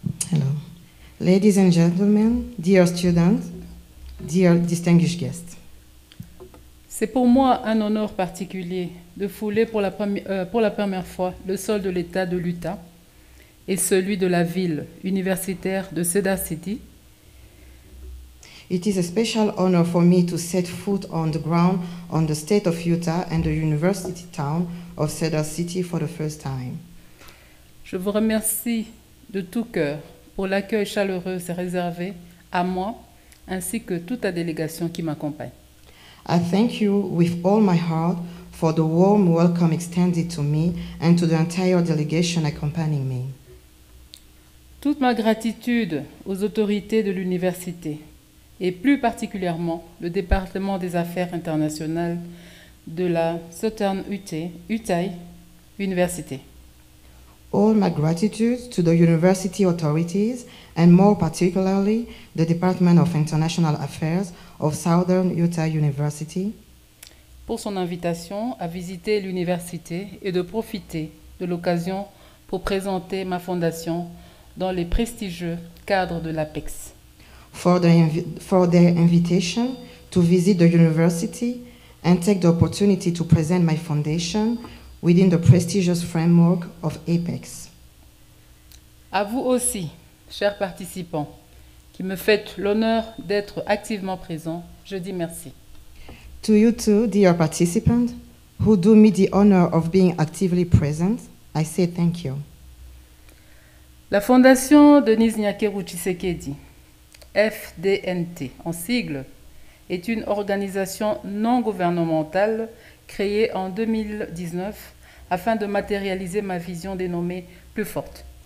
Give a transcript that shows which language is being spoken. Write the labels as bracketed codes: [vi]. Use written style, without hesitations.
[en] Hello. Ladies and gentlemen, dear students, dear distinguished guests. [fr] C'est pour moi un honneur particulier de fouler pour la première fois le sol de l'État de l'Utah et celui de la ville universitaire de Cedar City. [en] It is a special honor for me to set foot on the ground on the state of Utah and the university town of Cedar City for the first time. [fr] Je vous remercie de tout cœur pour l'accueil chaleureux réservé à moi ainsi que toute la délégation qui m'accompagne. [en] I thank you with all my heart for the warm welcome extended to me and to the entire delegation accompanying me. [fr] Toute ma gratitude aux autorités de l'université et plus particulièrement le département des affaires internationales de la Southern Utah University. [en] All my gratitude to the university authorities and more particularly the Department of International Affairs of Southern Utah University [fr] pour son invitation à visiter l'université et de profiter de l'occasion pour présenter ma fondation dans les prestigieux cadres de l'APEX. [en] for their invitation to visit the university and take the opportunity to present my foundation within the prestigious framework of APEX. [fr] À vous aussi, chers participants, qui me faites l'honneur d'être activement présents, je dis merci. [en] To you too, dear participants, who do me the honor of being actively present, I say thank you. [fr] La Fondation Denise Nyakeru Tshisekedi, FDNT en sigle, est une organisation non gouvernementale créée en 2019 afin de matérialiser ma vision dénommée plus forte.